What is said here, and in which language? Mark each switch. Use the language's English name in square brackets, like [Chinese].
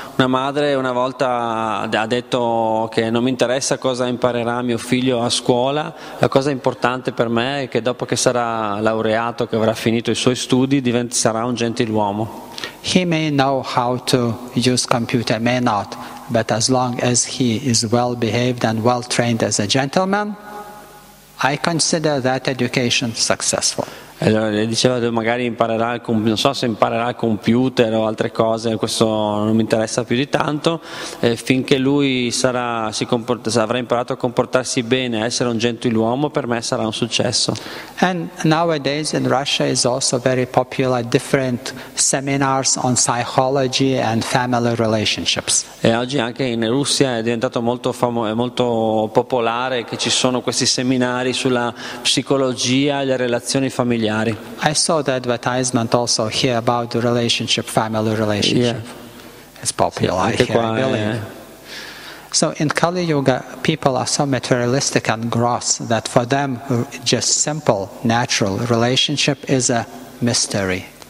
[Italian] Una madre una volta ha detto che non mi interessa cosa imparerà mio figlio a scuola, la cosa importante per me è che dopo che sarà laureato, che avrà finito i suoi studi, sarà un gentiluomo. [English] He may know how to use computer, may not, but as long as he is well behaved and well trained as a gentleman, I consider that education successful. [Italian] Allora, le diceva che magari imparerà, non so se imparerà il computer o altre cose, questo non mi interessa più di tanto, finché lui sarà, si comporta, avrà imparato a comportarsi bene, a essere un gentiluomo, per me sarà un successo. [English] And nowadays in Russia is also very popular different seminars on psychology and family relationships. [Italian] E oggi anche in Russia è diventato molto molto popolare che ci sono questi seminari sulla psicologia e le relazioni familiari. [English] I saw the advertisement also here about the relationship, family relationship. Yeah. It's popular here, qua, I believe. So in Kali Yuga, people are so materialistic and gross that for them, just simple, natural relationship is a mystery.